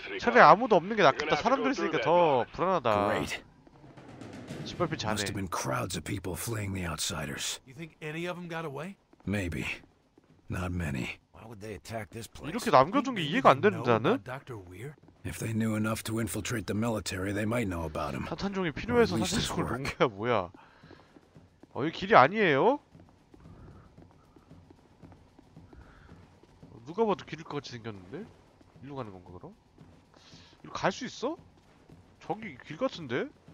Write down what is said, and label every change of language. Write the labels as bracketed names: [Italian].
[Korean] 차라리 아무도 없는 게 낫겠다. 사람들 있으니까 더 불안하다. 짓밟힐 자네. [English] Must have been crowds of people fleeing the outsiders. You think any of them got away? Maybe. Not many. Why would they attack this place? [Korean] 이렇게 남겨둔 게 이해가 안 되는다는? [English] If they knew enough to infiltrate the military, they might know about him. [Korean] 사탄종이 필요해서 사탄종을 놓은 게 뭐야? 어, 이 길이 아니에요? 누가 봐도 길일 것 같이 생겼는데? 이리로 가는 건가 그럼? 이리로 갈 수 있어? 저기 길 같은데?